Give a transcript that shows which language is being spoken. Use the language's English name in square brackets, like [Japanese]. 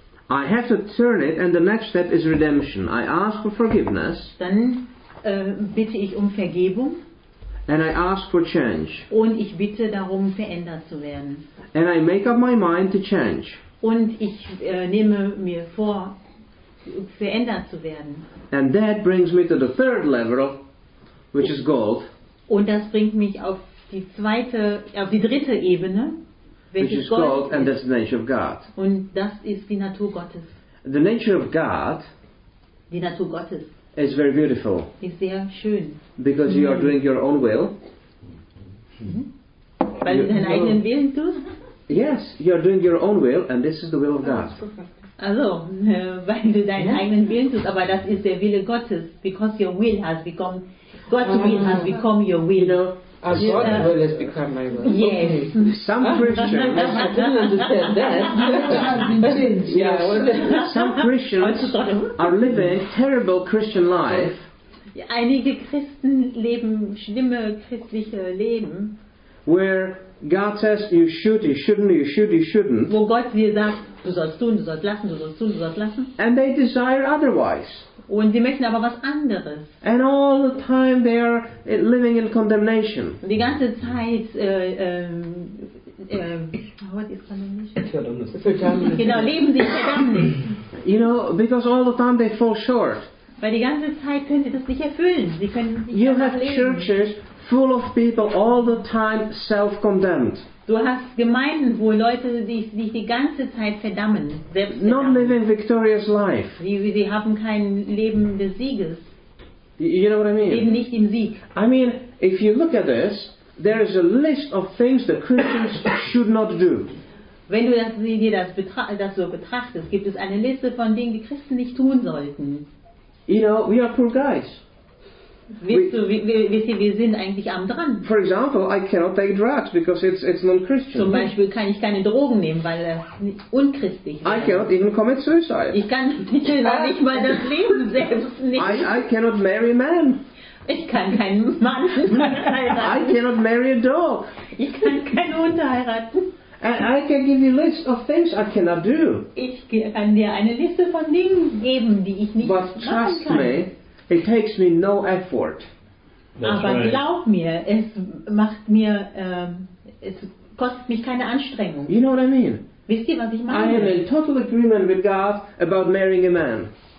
[English] I have to turn it, and the next step is redemption. I ask for forgiveness. [German] Dann bitte ich um Vergebung. [English] And I ask for change. [German] Und ich bitte darum, verändert zu werden. [English] And I make up my mind to change. [German] Und ich nehme mir vor, verändert zu werden. [English] And that brings me to the third level, which is gold. [German] Und das bringt mich auf die dritte Ebene, [English] which is gold, and that's the nature of God. [German] Und das ist die Natur Gottes. [English] The nature of God, [German] die Natur Gottes, [English] is very beautiful. [German] Ist sehr schön. [English] Because you are doing your own will. [German] Weil du deinen eigenen Willen tust? [English] Yes, you are doing your own will, and this is the will of God. [German] Also, weil du deinen eigenen Willen tust, aber das ist der Wille Gottes. [English] Because your will has become, God's will has become your will. As God's will has become my will. Yes. Some Christians, I didn't understand that. Some Christians are living terrible Christian life. [German] Einige Christen leben schlimme christliche Leben. [English] Where God says you should, you shouldn't, you should, you shouldn't. [German] Wo Gott dir sagt, du sollst tun, du sollst lassen, du sollst tun, du sollst lassen. [English] And they desire otherwise. [German] Und sie möchten aber was anderes. [English] And all the time they are living in condemnation. [German] Die ganze Zeit, leben sie verdammt. [English] You know, because all the time they fall short. [German] Weil die ganze Zeit können sie das nicht erfüllen. Sie können nicht [English] you have [German] leben. [English] Churches full of people all the time self-condemned. [German] Du hast Gemeinden, wo Leute sich die ganze Zeit verdammen, selbst verdammen. [English] Not living victorious life. [German] Sie haben kein Leben des Sieges. [English] You know what I mean? [German] Leben nicht im Sieg. [English] I mean, if you look at this, there is a list of things that Christians should not do. [German] Wenn du das so betrachtest, gibt es eine Liste von Dingen, die Christen nicht tun sollten. [English] You know, we are poor guys. [German] Wir sind eigentlich arm dran. [English] For example, I cannot take drugs because it's non-Christian. [German] Zum Beispiel kann ich keine Drogen nehmen, weil das unchristlich ist. [English] I cannot even commit suicide. [German] Ich kann nicht mal das Leben selbst nehmen. [English] I cannot marry a man. [German] Ich kann keinen Mann heiraten. [English] I cannot marry a dog. [German] Ich kann keinen Hund heiraten. [English] And I can give you a list of things I cannot do. [German] Ich kann dir eine Liste von Dingen geben, die ich nicht machen kann. [English] But trust me, it takes me no effort. That's aber right. [German] Glaub mir, es macht mir, es kostet mich keine Anstrengung. [English] You know what I mean? [German] Wisst ihr, was ich meine? [English] I am in total agreement with God about marrying a man.